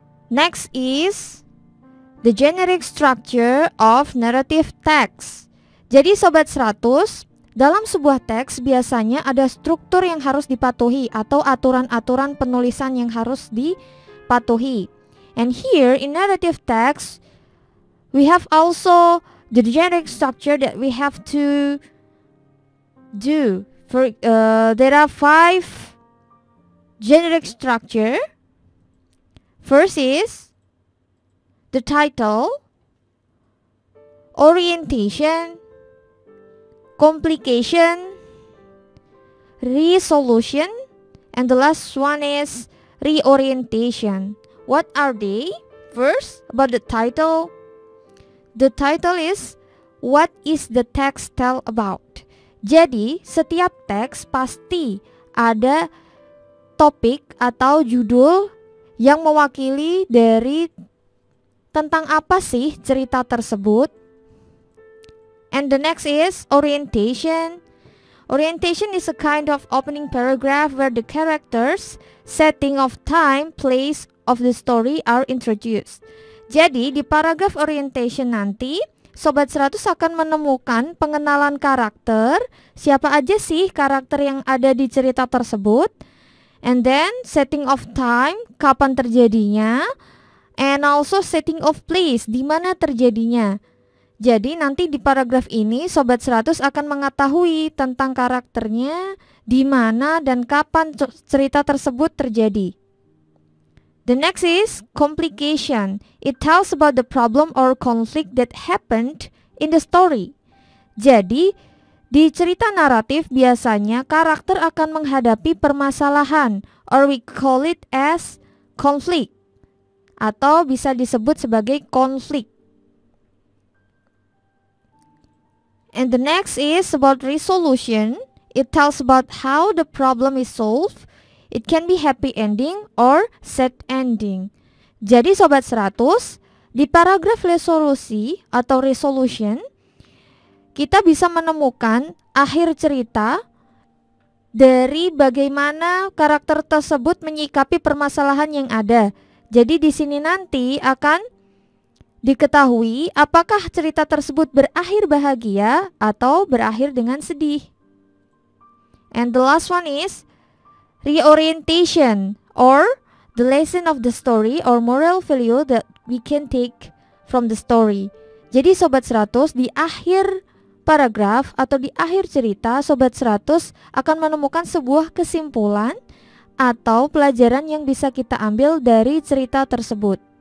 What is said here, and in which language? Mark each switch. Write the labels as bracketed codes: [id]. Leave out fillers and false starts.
[en] Next is the generic structure of narrative text. [id] Jadi Sobat 100, dalam sebuah teks biasanya ada struktur yang harus dipatuhi atau aturan-aturan penulisan yang harus dipatuhi. [en] And here in narrative text, we have also the generic structure that we have to do. For there are 5 generic structure. First is the title, orientation, complication, resolution, and the last one is reorientation. What are they? First, about the title. The title is what is the text tell about? [id] Jadi, setiap teks pasti ada topik atau judul yang mewakili dari tentang apa sih cerita tersebut. [en] And the next is orientation. Orientation is a kind of opening paragraph where the characters, setting of time, place of the story are introduced. [id] Jadi di paragraf orientation nanti, Sobat 100 akan menemukan pengenalan karakter, siapa aja sih karakter yang ada di cerita tersebut, [en] and then setting of time, [id] kapan terjadinya, [en] and also setting of place, [id] di mana terjadinya. Jadi nanti di paragraf ini Sobat 100 akan mengetahui tentang karakternya, di mana dan kapan cerita tersebut terjadi. [en] The next is complication. It tells about the problem or conflict that happened in the story. [id] Jadi, di cerita naratif biasanya karakter akan menghadapi permasalahan, [en] or we call it as conflict, [id] atau bisa disebut sebagai konflik. [en] And the next is about resolution. It tells about how the problem is solved. It can be happy ending or sad ending. [id] Jadi Sobat 100, di paragraf resolusi atau resolution, kita bisa menemukan akhir cerita dari bagaimana karakter tersebut menyikapi permasalahan yang ada. Jadi di sini nanti akan diketahui apakah cerita tersebut berakhir bahagia atau berakhir dengan sedih. [en] And the last one is reorientation, or the lesson of the story, or moral value that we can take from the story. [id] Jadi Sobat 100, di akhir paragraf atau di akhir cerita, Sobat 100 akan menemukan sebuah kesimpulan atau pelajaran yang bisa kita ambil dari cerita tersebut.